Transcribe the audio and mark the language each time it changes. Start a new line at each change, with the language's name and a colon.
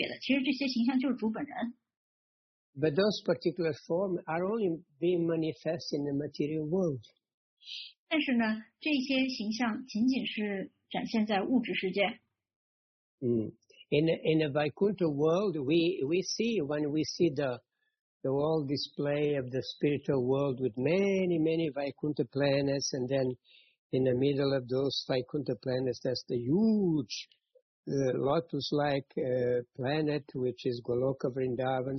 Chinese: 所有的这些形象呢，都是完整的，都是完美的，而且呢，和主是没有任何的区别的。其实这些形象就是主本人。But
English: those particular forms are only being manifest in the material world.
Chinese: 但是呢，这些形象仅仅是展现在物质世界。
English: In a Vaikuntha world, we see the whole display of the spiritual world with many, many Vaikuntha planets, and then in the middle of those Vaikuntha planets, there's the huge lotus-like planet, which is Goloka Vrindavan.